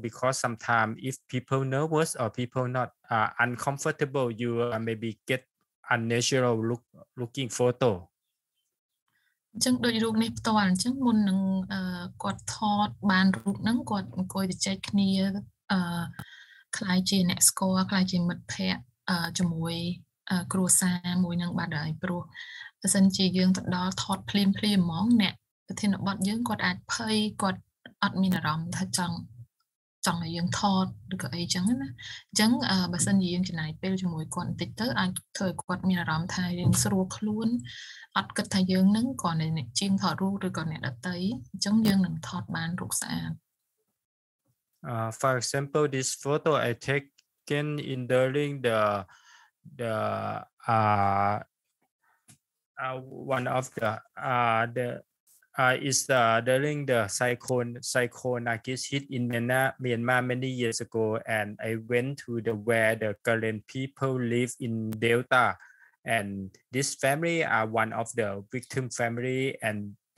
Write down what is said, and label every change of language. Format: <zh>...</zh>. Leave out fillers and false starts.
<en>Because sometimes if people nervous or people not uncomfortable, you maybe get unnatural looking photo.</en> <km>អញ្ចឹងដូចរូបនេះផ្ទាល់អញ្ចឹងមុននឹងគាត់ថតបានរូបហ្នឹងគាត់អង្គុយទៅចែកគ្នាខ្ល้ายជាអ្នកស្គាល់ខ្ល้ายជាមិត្តភក្តិជាមួយគ្រួសារមួយហ្នឹងបាទហើយព្រោះបើសិនជាយើងទៅដល់ថតភ្លាមភ្លាមហ្មងអ្នកប្រធានបទយើងគាត់អាចភ័យគាត់អត់មានអារម្មណ៍ថា ចង់ឲ្យយើងថតឬក៏អីអញ្ចឹងណាអញ្ចឹងបើសិនជាយើងចំណាយពេលជាមួយគាត់បន្តិចទៅអាចធ្វើឲ្យគាត់មានអារម្មណ៍ថាយើងស្រួលខ្លួនអត់គិតថាយើងនឹងគ្រាន់តែជាងថតរូបឬក៏អ្នកដតីអញ្ចឹងយើងនឹងថតបានរូបស្អាត</km> <en>For example this photo I taken in during during the cyclone Nargis hit in Myanmar many years ago, and I went to where the current people live in Delta, and this family are one of the victim family, and</en>